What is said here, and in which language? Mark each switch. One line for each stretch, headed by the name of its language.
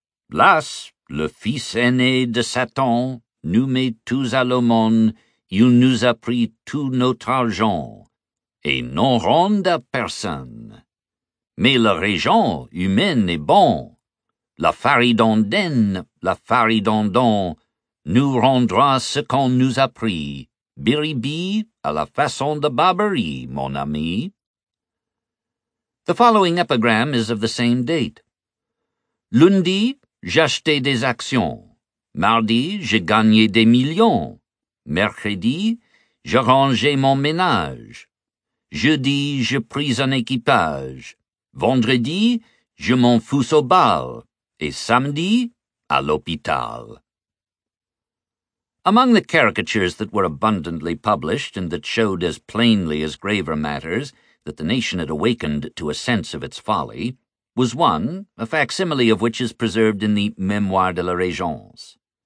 French: L'as, le fils aîné de Satan, nous met tous à l'aumône, il nous a pris tout notre argent, et non rende à personne. Mais le régent, humain et bon, la faridondaine, la faridondon, nous rendra ce qu'on nous a pris, biribi, à la façon de Barbarie, mon ami.
English: The following epigram is of the same date.
French: Lundi, j'achetai des actions. Mardi, j'ai gagné des millions. Mercredi, je rangeai mon ménage. Jeudi, je pris un équipage. Vendredi, je m'en fous au bal. Et samedi, à l'hôpital.
English: Among the caricatures that were abundantly published and that showed as plainly as graver matters that the nation had awakened to a sense of its folly, was one, a facsimile of which is preserved in the Mémoire de la Régence.